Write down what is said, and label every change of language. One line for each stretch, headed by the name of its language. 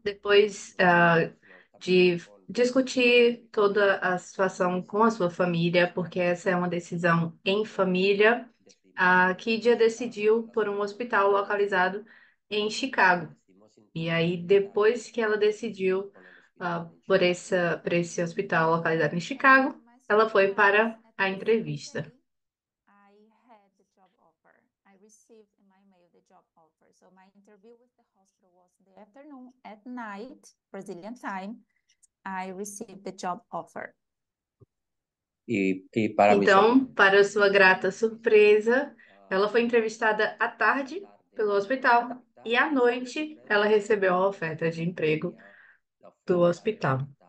Portuguese: depois de discutir toda a situação com a sua família, porque essa é uma decisão em família, a Kidia decidiu por um hospital localizado em Chicago. E aí, depois que ela decidiu por esse hospital localizado em Chicago, ela foi para a entrevista.
English: I had the job offer. I received in my mail the job offer. So my interview with the hospital was in the afternoon. At night, Brazilian time, I received the job offer.
Portuguese: E para então, para sua grata surpresa, ela foi entrevistada à tarde pelo hospital e à noite ela recebeu a oferta de emprego do hospital.